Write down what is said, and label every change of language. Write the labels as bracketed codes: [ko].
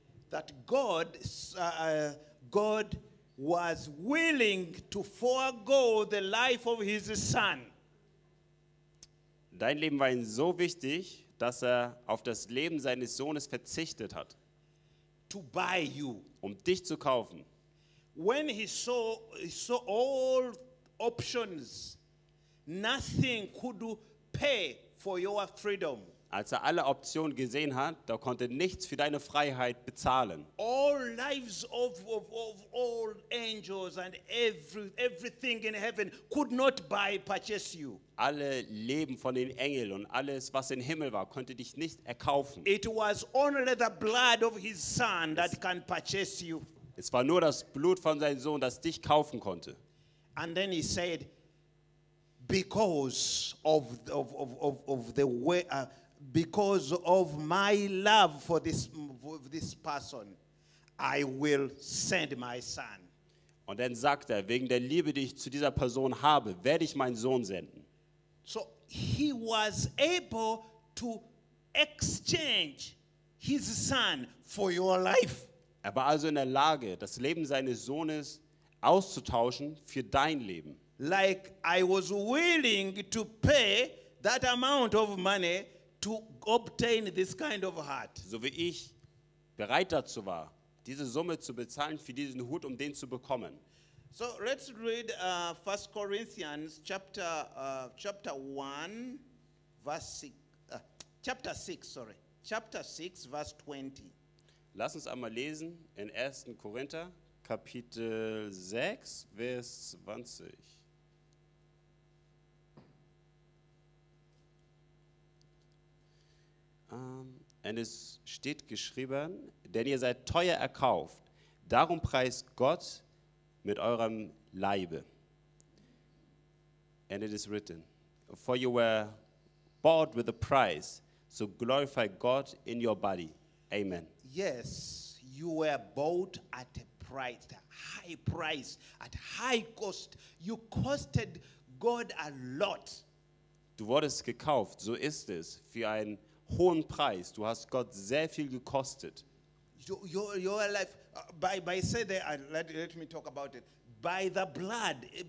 [en] That God, God was willing to forego the life of his son. [de] Dein Leben war ihm so wichtig, dass er auf das Leben seines Sohnes verzichtet hat. [en] To buy you. [de] Um dich zu kaufen. [en] When he saw all options, nothing could pay for your freedom. [de] Als er alle Optionen gesehen hat, da konnte nichts für deine Freiheit bezahlen. [en] All lives of all angels and everything in heaven could not buy purchase you. [de] Alle Leben von den Engeln und alles, was im Himmel war, konnte dich nicht erkaufen. [en] It was only the blood of his son that can purchase you. [de] Es war nur das Blut von seinem Sohn, das dich kaufen konnte. [en] And then he said, because of my love for this person, I will send my son. [de] Und dann sagt er, wegen der Liebe, die ich zu dieser Person habe, werde ich meinen Sohn senden. [en] So he was able to exchange his son for your life. [de] Er war also in der Lage, das Leben seines Sohnes auszutauschen für dein Leben. [en] Like I was willing to pay that amount of money to obtain this kind of heart. [de] So wie ich bereit dazu war, diese Summe zu bezahlen für diesen Hut, um den zu bekommen. [en] So let's read 1 Corinthians chapter 6 verse 20. [de] Lass uns einmal lesen in 1. Korinther Kapitel 6 Vers 20. Und es steht geschrieben, denn ihr seid teuer erkauft, darum preist Gott mit eurem Leibe. [en] And it is written, for you were bought with a price, so glorify God in your body. Amen. Yes, you were bought at a price, a high price, at high cost. You costed God a lot. [de] Du wurdest gekauft, so ist es, für ein hohen Preis. Du hast Gott sehr viel gekostet. [en] Your life, by say that, let me talk about it. By the blood.